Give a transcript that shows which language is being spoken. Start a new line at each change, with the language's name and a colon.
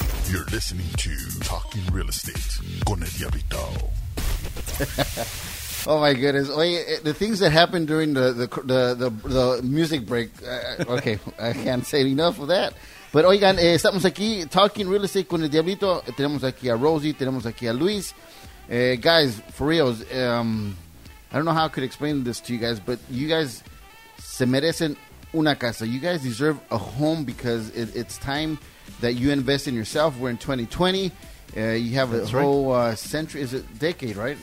English: You're listening to Talking Real Estate con el Diablito. Oh my goodness. Oye, the things that happened during the music break, okay, I can't say enough of that.
Spanish: Pero oigan, estamos aquí, Talking Real Estate con el Diablito. Tenemos aquí a Rosie, tenemos aquí a Luis.
English: Guys, for reals, I don't know how I could explain this to you guys, but you guys
Spanish: se merecen una casa.
English: You guys deserve a home, because it's time that you invest in yourself. We're in 2020. You have a whole century. Is it decade, right?